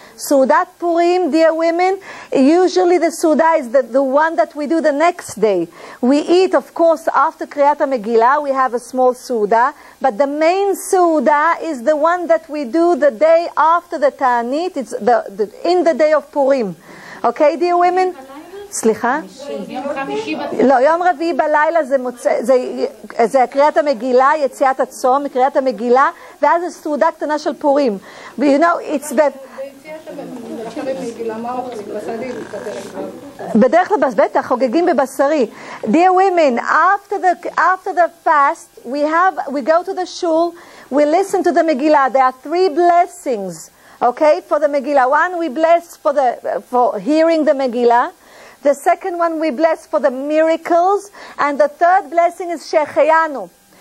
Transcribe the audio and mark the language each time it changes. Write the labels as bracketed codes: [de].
[en] Sudat Purim, dear women, usually the Suda is the one that we do the next day. We eat, of course, after Kriyat HaMegillah, we have a small Suda. But the main Suda is the one that we do the day after the Ta'anit, it's in the day of Purim. Okay, dear women? [he] סליחה? לא, יום רביעי בלילה זה קריאת המגילה, יציאת הצום, קריאת המגילה, ואז זו סעודה קטנה של פורים. [en] But you know, it's bad. [he] בדרך כלל בטח, חוגגים בבשרי. [en] Dear women, after the fast, we go to the shul, we listen to the Megillah. There are three blessings, okay, for the Megillah. One, we bless for hearing the Megillah. The second one, we bless for the miracles. And the third blessing is Shehecheyanu.